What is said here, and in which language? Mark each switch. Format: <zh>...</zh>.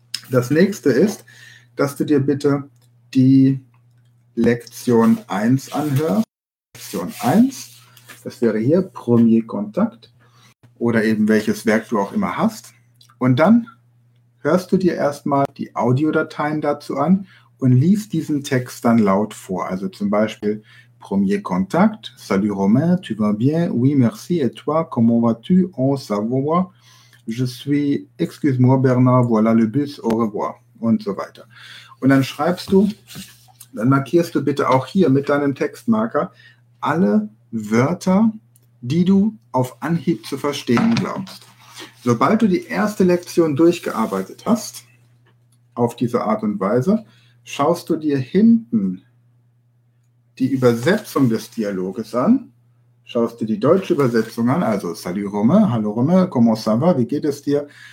<de>Das nächste ist, dass du dir bitte die Lektion 1 anhörst. Lektion 1, das wäre hier Premier Kontakt oder eben welches Werk du auch immer hast. Und dann hörst du dir erstmal die Audiodateien dazu an und liest diesen Text dann laut vor. Also zum Beispiel Premier Kontakt,</de> <fr>Salut Romain, tu vas bien, oui merci, et toi, comment vas-tu, on s'avoue, je suis, excuse-moi Bernard, voilà le bus, au revoir</fr> <de>und so weiter. Und dann schreibst du, dann markierst du bitte auch hier mit deinem Textmarker alle Wörter, die du auf Anhieb zu verstehen glaubst. Sobald du die erste Lektion durchgearbeitet hast, auf diese Art und Weise, schaust du dir hinten die Übersetzung des Dialoges an, schaust dir die deutsche Übersetzung an, also Salut Romain, hallo Romain,</de> <fr>comment ça va,</fr> <de>wie geht es dir?</de>